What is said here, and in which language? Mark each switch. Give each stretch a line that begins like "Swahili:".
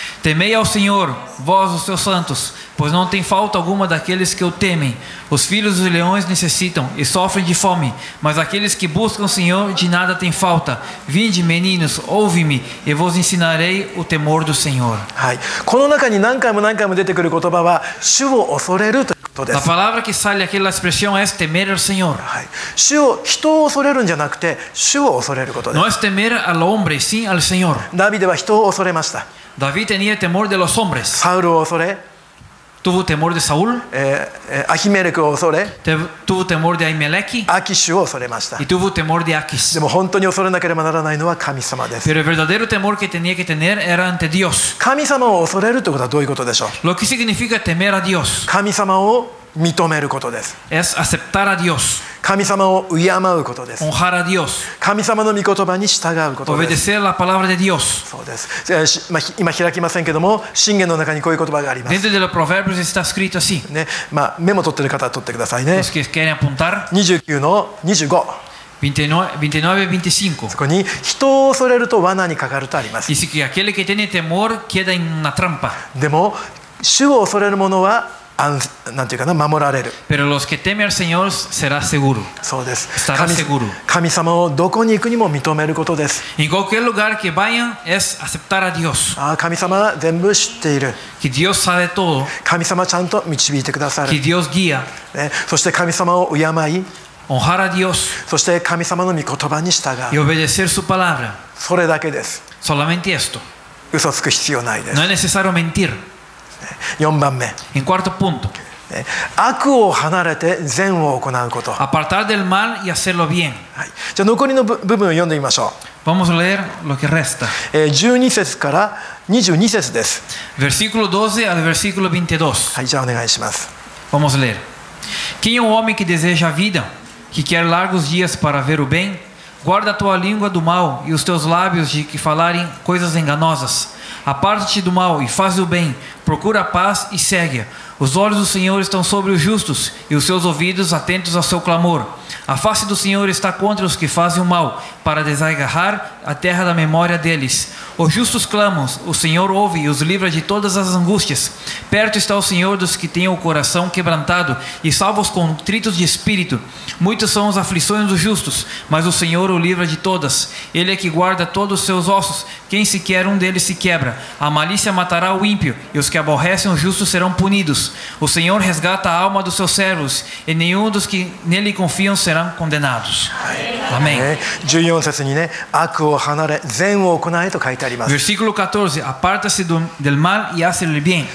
Portuguese: Temei ao Senhor, vós os seus santos, pois não tem falta alguma daqueles que o temem. Os filhos dos leões necessitam e sofrem de fome, mas aqueles que buscam o Senhor de nada têm falta. Vinde, meninos, ouve-me, e vos ensinarei o temor do Senhor.
Japanese: この中に何回も何回も出てくる言葉は主を恐れると。ことです。
Spanish: La palabra que sale aquí, la expresión es temer al Señor.
Japanese: はい。主を、人を恐れるんじゃなくて、主を恐れることです。
Spanish: No es temer al hombre, sino al Señor.
Japanese: ダビデは人を恐れました。
Spanish: David tenía temor de los hombres.
Japanese: サウルを恐れ。
Spanish: Tuvo temor de Saúl.
Japanese: アヒメレクを恐れ。
Spanish: Tuvo temor de Ahimeleki.
Japanese: アキシュを恐れました。
Spanish: Y tuvo temor de Aquis.
Japanese: でも本当に恐れなければならないのは神様です。
Spanish: Pero el verdadero temor que tenía que tener era ante Dios.
Japanese: 神様を恐れるということはどういうことでしょう。
Spanish: Lo que significa temer a Dios.
Japanese: 神様を認めることです。
Spanish: Es aceptar a Dios.
Japanese: 神様を敬うことです。
Spanish: Honrar a Dios.
Japanese: 神様の御言葉に従うことです。
Spanish: Obedecer la palabra de Dios.
Japanese: そうです。今開きませんけども、箴言の中にこういう言葉があります。
Spanish: Dentro de los proverbios está escrito así.
Japanese: ね、まあ、メモ取ってる方は取ってくださいね。
Spanish: Los que quieren apuntar.
Japanese: 29の25。 29-25. そこに人を恐れると罠にかかるとあります。
Spanish: Dice que aquel que tiene temor queda en una trampa.
Japanese: でも主を恐れる者はなんていうかな守られる。
Spanish: Pero los que temen al Señor será seguro.
Japanese: そうです。
Spanish: Estará seguro.
Japanese: 神様をどこに行くにも認めることです。
Spanish: En cualquier lugar que vayan es aceptar a Dios.
Japanese: あ、神様は全部知っている。
Spanish: Que Dios sabe todo.
Japanese: 神様ちゃんと導いてくださる。
Spanish: Que Dios guía.
Japanese: ね、そして神様を敬い。
Spanish: Honrar a Dios.
Japanese: そして神様の御言葉に従う。
Spanish: Y obedecer su palabra.
Japanese: それだけです。
Spanish: Solamente esto.
Japanese: 嘘つく必要ないです。
Spanish: No es necesario mentir.
Japanese: 4番目
Spanish: en cuarto punto,
Japanese: 悪を離れて善を行うこと
Spanish: apartar del mal y hacerlo bien.、
Japanese: はい、じゃあ残りの部分を読んでみましょう
Spanish: vamos a leer lo que resta.
Japanese: 12節から22節です
Spanish: versículo 12 al versículo 22、
Japanese: はい、じゃあお願いします
Spanish: vamos a leer
Portuguese: quem é o homem que deseja a vida que quer largos dias para ver o bem guarda a tua língua do mal e os teus lábios de que falarem coisas enganosas aparta-te do mal e faz o bem procura a paz e segue-a os olhos do Senhor estão sobre os justos e os seus ouvidos atentos ao seu clamor a face do Senhor está contra os que fazem o mal para desagarrar a terra da memória deles os justos clamam, o Senhor ouve e os livra de todas as angústias perto está o Senhor dos que têm o coração quebrantado e salva os contritos de espírito muitas são as aflições dos justos mas o Senhor o livra de todas ele é que guarda todos os seus ossos quem sequer um deles se quebra a malícia matará o ímpio e os que aborrecem os justos serão punidos o Senhor resgata a alma dos seus servos e nenhum dos que nele confiam serão condenados Amém
Japanese: 14節にね悪を離れ善を行えと書いてあります
Spanish: versículo 14 apartase del mal y hace el bien